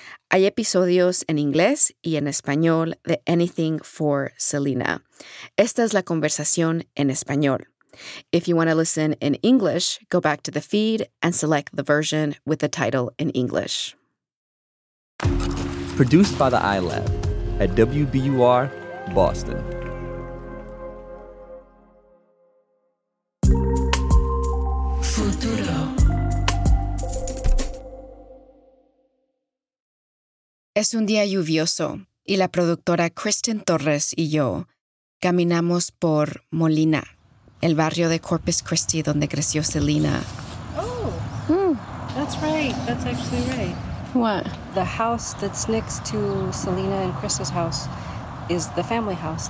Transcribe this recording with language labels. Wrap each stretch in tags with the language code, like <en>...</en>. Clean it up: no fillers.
<es>Hay episodios en inglés y en español de Anything for Selena. Esta es la conversación en español.</es> <en>If you want to listen in English, go back to the feed and select the version with the title in English. Produced by the iLab at WBUR, Boston.</en> <es>Es un día lluvioso y la productora Kristen Torres y yo caminamos por Molina, el barrio de Corpus Christi donde creció Selena.</es> <en>Oh, That's right. That's actually right. What? The house that's next to Selena and Chris's house is the family house.</en>